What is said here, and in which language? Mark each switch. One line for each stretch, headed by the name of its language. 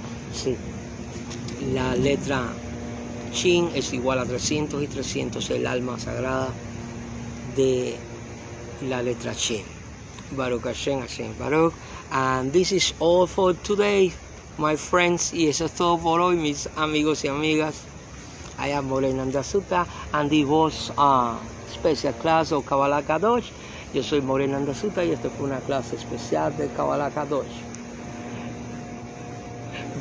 Spanish: Sí. La letra Chin es igual a 300, y 300 es el alma sagrada de la letra Chin.
Hebrew: Baruch Hashem, Hashem Baruch.
English: And this is all for today, my friends.
Spanish: Y eso es todo por hoy, mis amigos y amigas.
English: I am Moreh Nanda Suta, and this was a special class of Kabbalah Kadosh.
Spanish: Yo soy Moreh Nanda Suta, y esto fue una clase especial de Kabbalah Kadosh.